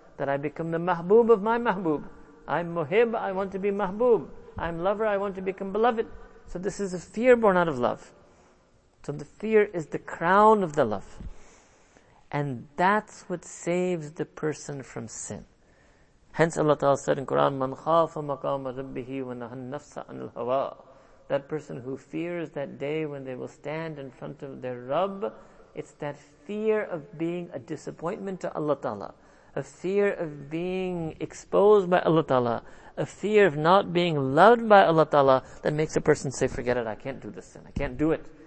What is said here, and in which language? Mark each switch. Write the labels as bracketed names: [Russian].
[English] That I become the mahbub of my mahbub. I'm muhib, I want to be mahbub. I'm lover, I want to become beloved. So this is a fear born out of love. So the fear is the crown of the love. And that's what saves the person from sin. Hence Allah Ta'ala said in Quran, [Arabic] مَنْ خَافَ مَقَامَ رَبِّهِ وَنَهَا النَّفْسَ عَنِ الْهَوَىٰ. [English] That person who fears that day when they will stand in front of their Rabb, it's that fear of being a disappointment to Allah Ta'ala, a fear of being exposed by Allah Ta'ala, a fear of not being loved by Allah Ta'ala, that makes a person say, forget it, I can't do this sin, I can't do it.